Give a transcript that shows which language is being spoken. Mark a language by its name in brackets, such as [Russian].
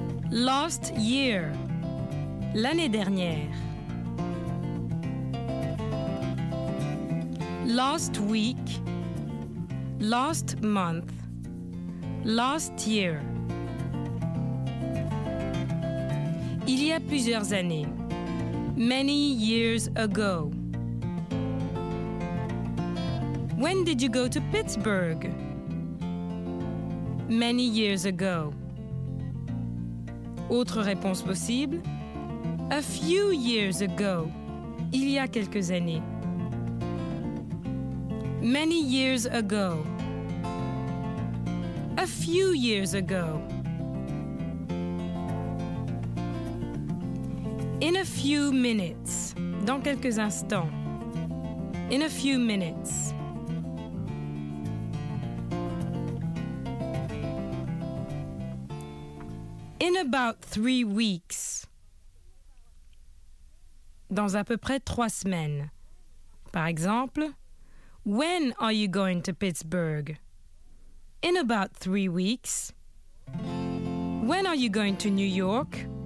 [English] Last year, [French] l'année dernière. [English] Last week, last month, last year. [French] Il y a plusieurs années. [English] Many years ago. When did you go to Pittsburgh? Many years ago. [French] Autre réponse possible. [English] A few years ago. [French] Il y a quelques années. [English] Many years ago. A few years ago. In a few minutes. [French] Dans quelques instants. [English] In a few minutes. In about 3 weeks. [French] Dans à peu près 3 semaines. Par exemple, [English] when are you going to Pittsburgh? In about 3 weeks. When are you going to New York?